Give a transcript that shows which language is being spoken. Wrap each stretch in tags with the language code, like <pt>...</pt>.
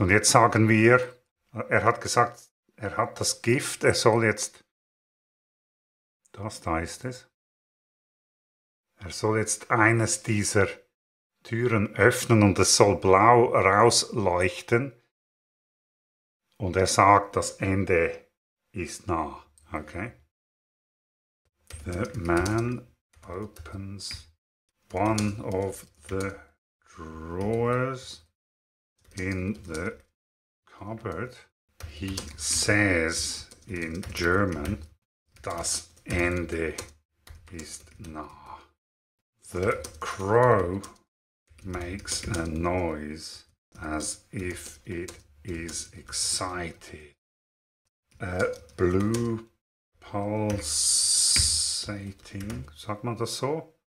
<de>Und jetzt sagen wir, er hat gesagt, er hat das Gift, er soll jetzt, das da ist es, er soll jetzt eines dieser Türen öffnen und es soll blau rausleuchten. Und er sagt, das Ende ist nah. Okay.</de> <en>The man opens one of the drawers in the cupboard. He says in German,</en> <de>das Ende ist nah.</de> <en>The crow makes a noise as if it is excited. A blue pulsating,</en> <de>sagt man das so?</de>